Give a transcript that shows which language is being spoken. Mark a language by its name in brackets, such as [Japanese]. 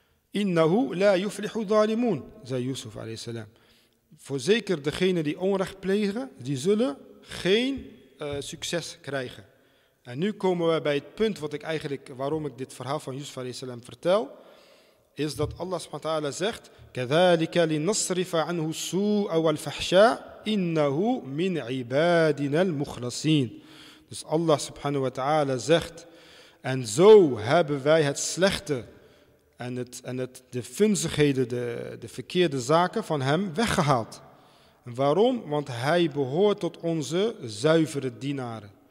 [Arabic] Innahu la yuflihu dhalimun, [Dutch] zei Jozef alayhi salam. Voorzeker degenen die onrecht plegen, die zullen geen succes krijgen. En nu komen we bij het punt waarom ik dit verhaal van Jozef alayhi salam vertel. Is dat Allah subhanahu wa ta'ala zegt: [Arabic] كَذَلِكَ لِنَصْرِفَ عَنْهُ السُّوءَ وَالْفَحْشَاءَ إِنَّهُ مِنْ عِبَادِنَا الْمُخْلَصِينَ. [Dutch] Dus Allah subhanahu wa ta'ala zegt: en zo hebben wij het slechte En de vunzigheden, de verkeerde zaken van hem weggehaald. Waarom? Want hij behoort tot onze zuivere dienaren.